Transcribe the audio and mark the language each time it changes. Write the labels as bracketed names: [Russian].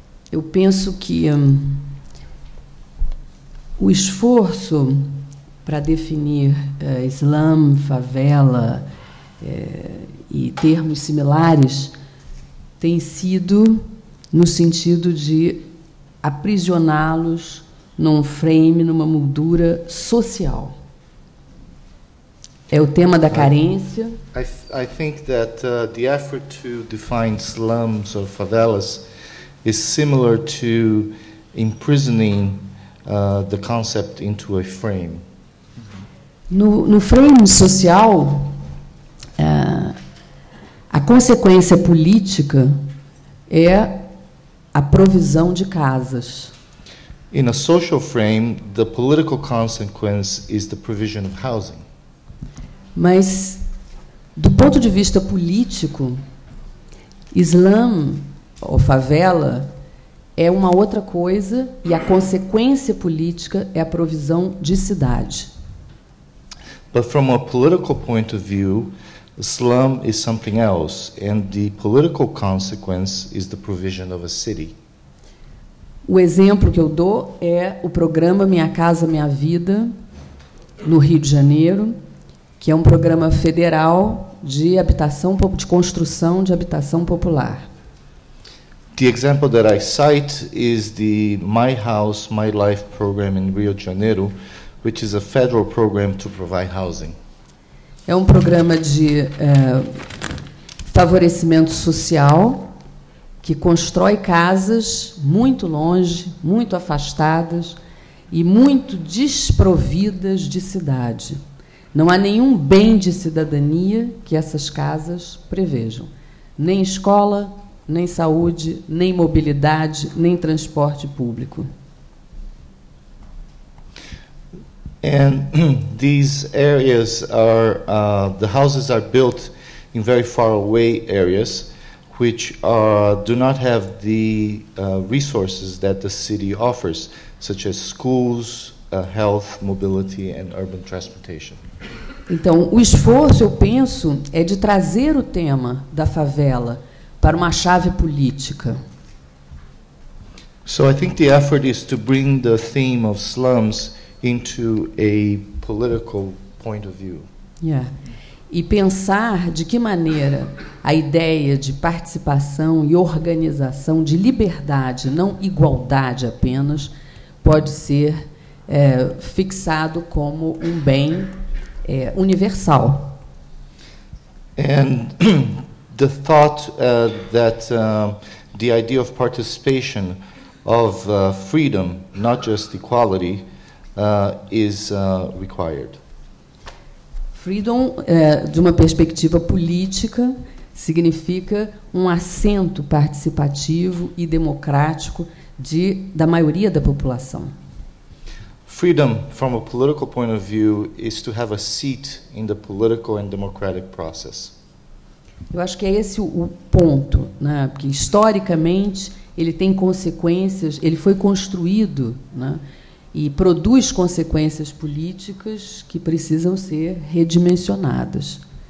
[Portuguese] Eu penso que o esforço para definir slum, favela e termos similares tem sido no sentido de aprisioná-los num frame, numa moldura social. É o tema da carência. [English] I think that the effort to define slums or favelas is similar to imprisoning the concept into a frame. [Portuguese] No frame social, a consequência política é a provisão de casas. [English] in a social frame, the political consequence is the provision of housing. [Portuguese] Mas, do ponto de vista político, slum ou favela é uma outra coisa e a consequência política é a provisão de cidade. [English] But from a political point of view, slum is something else, and the political consequence is the provision of a city. [Portuguese] O exemplo que eu dou é o programa Minha Casa Minha Vida, no Rio de Janeiro, que é um programa federal de habitação, de construção de habitação popular. [English] The example that I cite is the My House, My Life program in Rio de Janeiro, which is a federal program to provide housing. [Portuguese] É um programa de favorecimento social que constrói casas muito longe, muito afastadas e muito desprovidas de cidade. Não há nenhum bem de cidadania que essas casas prevejam. Nem escola, nem saúde, nem mobilidade, nem transporte público. [English] And these areas are, the houses are built in very far away areas, which are, do not have the resources that the city offers, such as schools, health, mobility, and urban transportation. [Portuguese] Então, o esforço, eu penso, é de trazer o tema da favela para uma chave política. [English] So I think the effort is to bring the theme of slums into a political point of view. Yeah. [Portuguese] E pensar de que maneira a ideia de participação e organização, de liberdade, não igualdade apenas, pode ser fixado como um bem universal. [English] And the thought that the idea of participation, of freedom, not just equality, is required. [Portuguese] Freedom, de uma perspectiva política, significa um assento participativo e democrático da maioria da população. [English] Freedom, from a political point of view, is to have a seat in the political and democratic process. [Portuguese] Eu acho que é esse o ponto, né? Porque historicamente ele tem consequências, ele foi construído, né? E produz consequências políticas que precisam ser redimensionadas.